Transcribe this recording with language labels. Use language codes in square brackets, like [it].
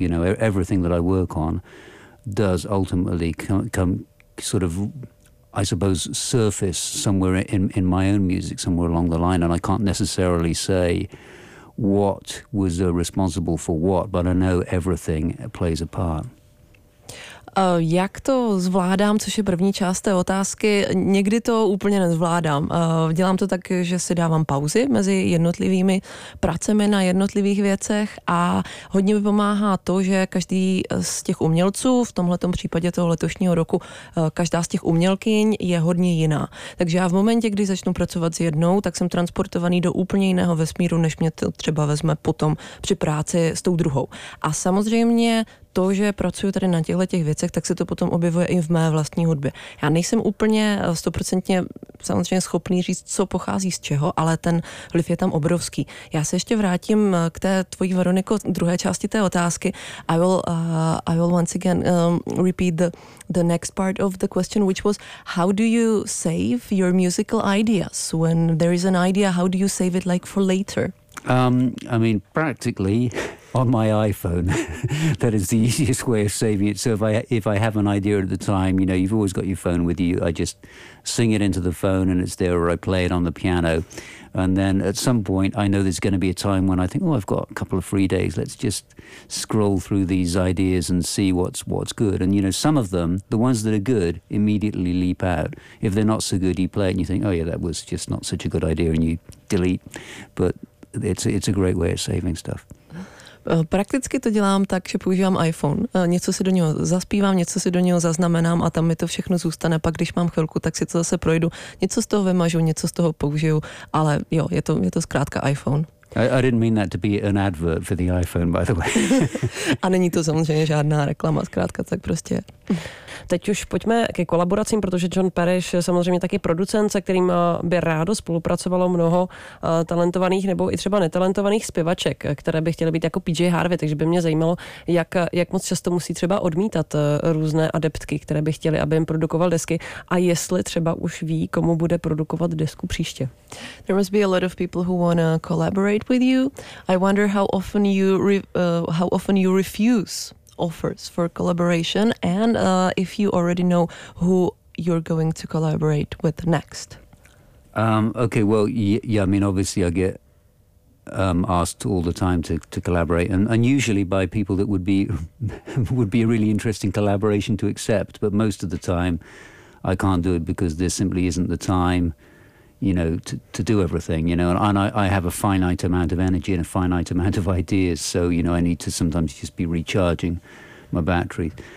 [en] You know, everything that I work on does ultimately come sort of, I suppose, surface somewhere in my own music, somewhere along the line, and I can't necessarily say what was responsible for what, but I know everything plays a part. [cs] Jak to zvládám, což je první část té otázky, někdy to úplně nezvládám. Dělám to tak, že si dávám pauzy mezi jednotlivými pracemi na jednotlivých věcech a hodně mi pomáhá to, že každý z těch umělců, v tomhletom případě toho letošního roku, každá z těch umělkyň je hodně jiná. Takže já v momentě, kdy začnu pracovat s jednou, tak jsem transportovaný do úplně jiného vesmíru, než mě to třeba vezme potom při práci s tou druhou. A samozřejmě to, že pracuju tady na těchto těch věcech, tak se to potom objevuje i v mé vlastní hudbě. Já nejsem úplně stoprocentně samozřejmě schopný říct, co pochází z čeho, ale ten vliv je tam obrovský. Já se ještě vrátím k té tvojí, Veroniko, druhé části té otázky. [en] I will once again repeat the next part of the question, which was, how do you save your musical ideas? When there is an idea, how do you save it like for later? I mean, practically... on my iPhone, that is the easiest way of saving it. So if I have an idea at the time, you know, you've always got your phone with you. I just sing it into the phone and it's there, or I play it on the piano. And then at some point, I know there's going to be a time when I think, oh, I've got a couple of free days. Let's just scroll through these ideas and see what's good. And, you know, some of them, the ones that are good, immediately leap out. If they're not so good, you play it and you think, oh, yeah, that was just not such a good idea, and you delete. But it's a great way of saving stuff. [cs] Prakticky to dělám tak, že používám iPhone. Něco si do něho zaspívám, něco si do něho zaznamenám a tam mi to všechno zůstane. Pak když mám chvilku, tak si to zase projdu. Něco z toho vymažu, něco z toho použiju, ale jo, je to zkrátka iPhone. [en] I didn't mean that to be an advert for the iPhone, by the way. [cs] A není to samozřejmě žádná reklama, zkrátka tak prostě. Teď už pojďme ke kolaboracím, protože John Parrish je samozřejmě taky producent, se kterým by rádo spolupracovalo mnoho talentovaných nebo i třeba netalentovaných zpěvaček, které by chtěly být jako PJ Harvey, takže by mě zajímalo, jak moc často musí třeba odmítat různé adeptky, které by chtěly, aby jim produkoval desky, a jestli třeba už ví, komu bude produkovat desku příště. [en] There must be a lot of people who want to collaborate with you. I wonder how often you refuse offers for collaboration, and if you already know who you're going to collaborate with next. Okay, well, yeah, I mean, obviously I get asked all the time to collaborate, and usually by people that would be a really interesting collaboration to accept, but most of the time I can't do it because there simply isn't the time, you know, to do everything, you know, and I have a finite amount of energy and a finite amount of ideas, so, you know, I need to sometimes just be recharging my battery.